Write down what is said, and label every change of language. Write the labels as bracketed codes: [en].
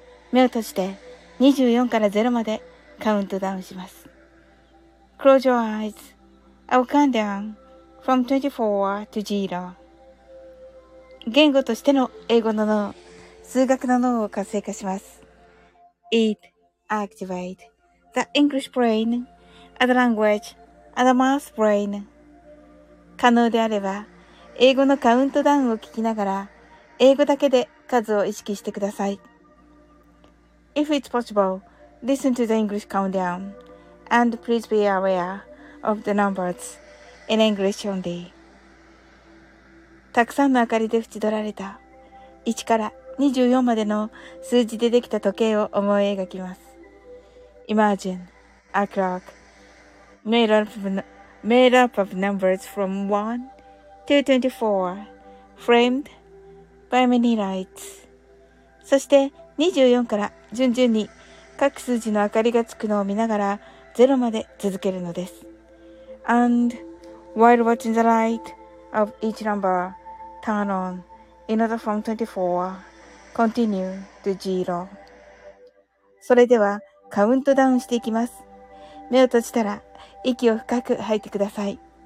[ja] 目を閉じて24から0までカウントダウンします。 [en] Close your eyes。 I will count down from 24 to 0。 [ja] 言語としての英語の脳、数学の脳を活性化します。 [en] EatActivate the English brain, and the language, and the math brain. [ja] 可能であれば、英語のカウントダウンを聞きながら、英語だけで数を意識してください。 [en] If it's possible, listen to the English countdown, and please be aware of the numbers in English only. [ja] たくさんの明かりで縁取られた、1から24までの数字でできた時計を思い描きます。 [en] Imagine a clock made up of numbers from 1 to 24, framed by many lights. [ja] そして24から順々に各数字の明かりがつくのを見ながら0まで続けるのです。 [en] And while watching the light of each number turn on in order from 24, continue to 0. [ja] それではカウントダウンしていきます。目を閉じたら息を深く吐いてください。